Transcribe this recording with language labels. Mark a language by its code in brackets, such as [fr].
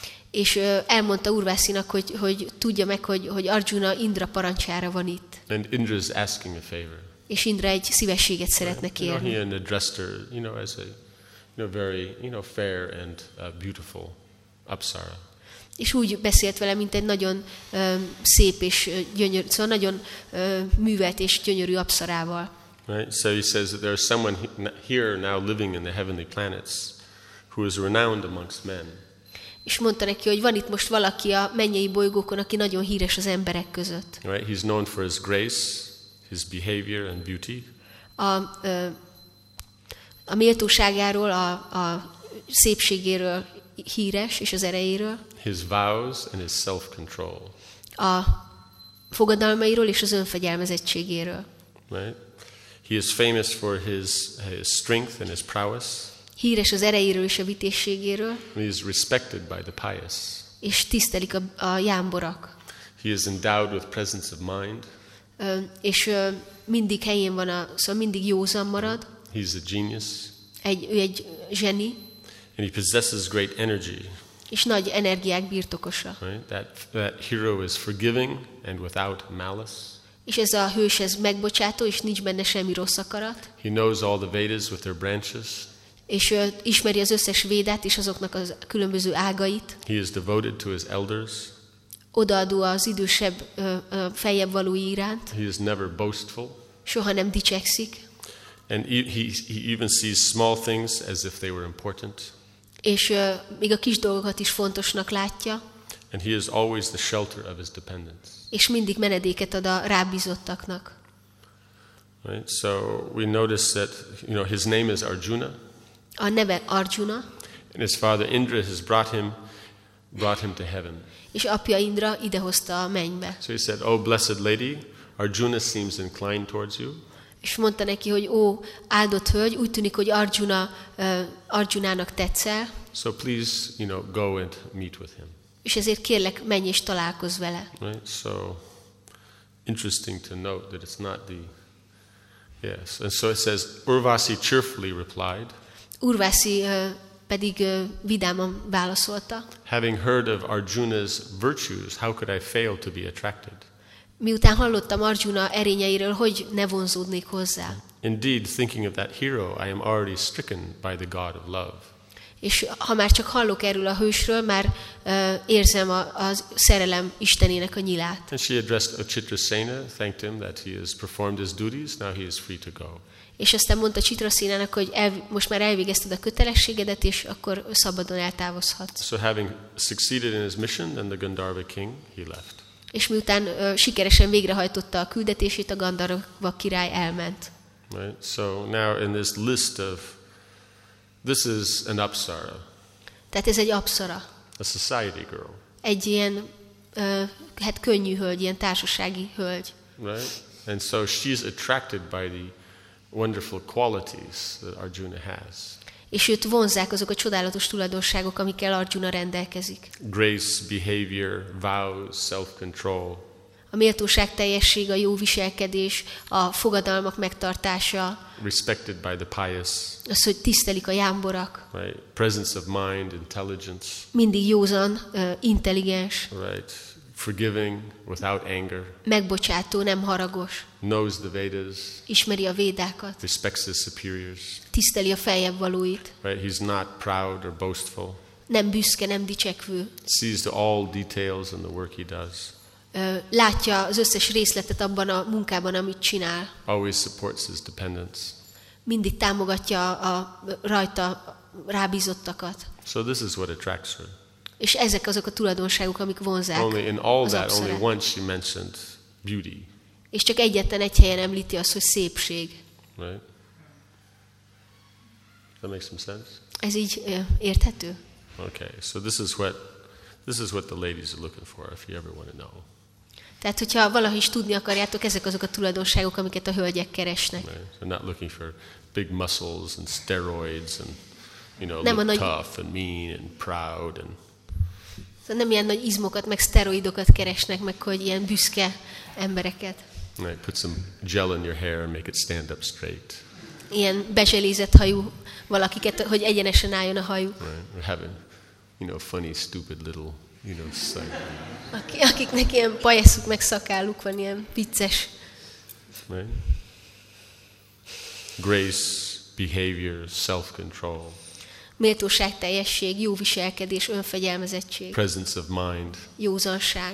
[hu] És elmondta Urvászinak, hogy tudja meg, hogy Arjuna Indra parancsára van itt. [en] And Indra's asking a favor. [hu] És Indra egy szívességet szeretne kérni. [en] Right. You know, he addressed her, you know, as a, you know, very, you know, fair and beautiful apsara. [hu] És úgy beszélt vele, mint egy nagyon szép és gyönyörű, szóval nagyon művelt és gyönyörű apszarával. [en] Right. So he says that there is someone here now living in the heavenly planets who is renowned amongst men. [hu] És mondta neki, hogy van itt most valaki a mennyei bolygókon, aki nagyon híres az emberek között. [en] Right. He's known for his grace, his behavior and beauty. [hu] A méltóságáról, a szépségéről híres és az erejéről. [en] His vows and his self-control. [hu] A fogadalmairól és az önfegyelmezettségéről. [en] Right. He is famous for his strength and his prowess. [hu] Híres az erejéről és a vitézségéről. [en] He is respected by the pious. [hu] És tisztelik a jámborak. [en] He is endowed with presence of mind. [hu] És mindig helyén van, szóval mindig józan marad. [en] He's a genius. [hu] Ő egy zseni. [en] And he possesses great energy. [hu] És nagy energiák birtokosa. [en] Right? That hero is forgiving and without malice. [hu] És ez a hős, ez megbocsátó, és nincs benne semmi rossz akarat. [en] He knows all the Vedas with their branches. [hu] És ismeri az összes védát és azoknak a az különböző ágait. [en] He is devoted to his elders. [hu] Odaadó az idősebb, feljebb valói iránt. [en] He is never boastful. [hu] Soha nem dicsekszik. [en] And he even sees small things as if they were important. [hu] És még a kis dolgokat is fontosnak látja. [en] And he is always the shelter of his dependents. [hu] És mindig menedéket ad a rábízottaknak. [en] Right? So we notice that, you know, his name is Arjuna. [hu] A neve Arjuna. [en] And his father Indra has brought him to heaven. [hu] És apja Indra idehozta a mennybe. [en] So he said, "Oh blessed lady, Arjuna seems inclined towards you." [hu] És mondta neki, hogy ó, áldott hölgy, úgy tűnik, hogy Arjunának tetszel. [en] So please, you know, go and meet with him. [hu] És ezért kérlek, menj és találkozz vele. [en] Right? So interesting to note that it's not the yes. And so it says Urvasi cheerfully replied. [hu] Urvasi pedig vidáman válaszolta. [en] Having heard of Arjuna's virtues, how could I fail to be attracted? [hu] Miután hallottam Arjuna erényeiről, hogy ne vonzódnék hozzá. [en] Indeed, thinking of that hero, I am already stricken by the god of love. [hu] És ha már csak hallok erről a hősről, már érzem a szerelem istenének a nyilát. [en] And she addressed Chitrasena, thanked him that he has performed his duties, now he is free to go. [hu] És aztán mondta Chitrasenának, hogy most már elvégezted a kötelességedet, és akkor szabadon eltávozhatsz. [en] So having succeeded in his mission, then the Gandharva king, he left. [hu] És miután sikeresen végrehajtotta a küldetését, a Gandharva király elment. [en] Right. So now in this list of this is an apsara. [hu] Tehát ez egy apsara. [en] A society girl. [hu] Egy ilyen hát könnyű hölgy, ilyen társasági hölgy. [en] Right. And so she's attracted by the wonderful qualities that Arjuna has. [hu] És őt vonzák azok a csodálatos tulajdonságok, amikkel Arjuna rendelkezik. [en] Grace, behavior, vows, self-control. [hu] A méltóság teljesség, a jó viselkedés, a fogadalmak megtartása. [en] Respected by the pious. [hu] Az, hogy tisztelik a jámborak. [en] Right. Presence of mind, intelligence. [hu] Mindig józan, intelligens. [en] Right. Forgiving without anger. [hu] Megbocsátó, nem haragos. [en] Knows the Vedas. [hu] Ismeri a védákat. [en] Respects his superiors. [hu] Tiszteli a feljebb valóit. [en] Right, he's not proud or boastful. [hu] Nem büszke, nem dicsekvő. [en] Sees the all details in the work he does. [hu] Látja az összes részletet abban a munkában, amit csinál. [en] Always supports his dependents. [hu] Mindig támogatja a rajta rábízottakat. [en] So this is what attracts her. [hu] És ezek azok a tulajdonságok, amik vonzák. [en] Only in all that, only once she mentioned beauty. [hu] És csak egyetlen egy helyen említi azt, hogy szépség. [en] Right. That makes some sense? [hu] Ez így érthető. [en] Okay, so this is what the ladies are looking for, if you ever want to know. [hu] Tehát, hogyha valahogy is tudni akarjátok, ezek azok a tulajdonságok, amiket a hölgyek keresnek. [en] Right. They're not looking for big muscles and steroids and, you know, look [hu] nagy... [en] tough and mean and proud and [hu] szóval nem ilyen nagy izmokat, meg szteroidokat keresnek, meg hogy ilyen büszke embereket. [en] Right, put some gel in your hair and make it stand up straight. [hu] Ilyen bezselézett hajú valakiket, hogy egyenesen álljon a hajú. [en] Right, or have a, you know, funny, stupid little, you know, side. [hu] Akiknek ilyen pajeszuk, meg szakálluk van, ilyen vicces. [en] Right. Grace, behavior, self-control. [hu] Méltóság, teljesség, jó viselkedés, önfegyelmezettség. [en] Presence of mind. [hu] Józanság.